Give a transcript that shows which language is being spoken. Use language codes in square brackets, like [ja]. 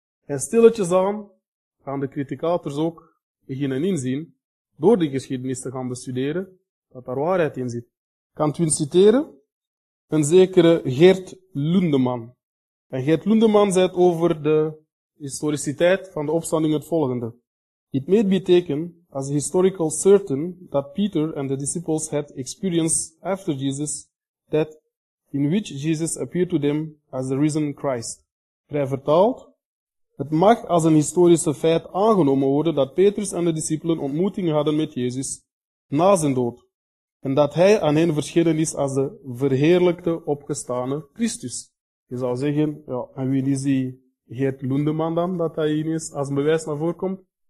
[nl] En stilletjes aan gaan de criticators ook beginnen inzien, door die geschiedenis te gaan bestuderen, dat daar waarheid in zit. Ik kan het u citeren, een zekere Geert Lundeman. En Geert Lundeman zei het over de historiciteit van de opstanding het volgende. [en] It may be taken as historical certain that Peter and the disciples had experience after Jesus that in which Jesus appeared to them as the risen Christ. [nl] Vrij vertaald, het mag als een historische feit aangenomen worden dat Petrus en de discipelen ontmoetingen hadden met Jezus na zijn dood en dat hij aan hen verschenen is als de verheerlijkte opgestane Christus. Je zou zeggen, ja, en wie is die Geert Lundeman dan, dat hij ineens als een bewijs naar voren komt?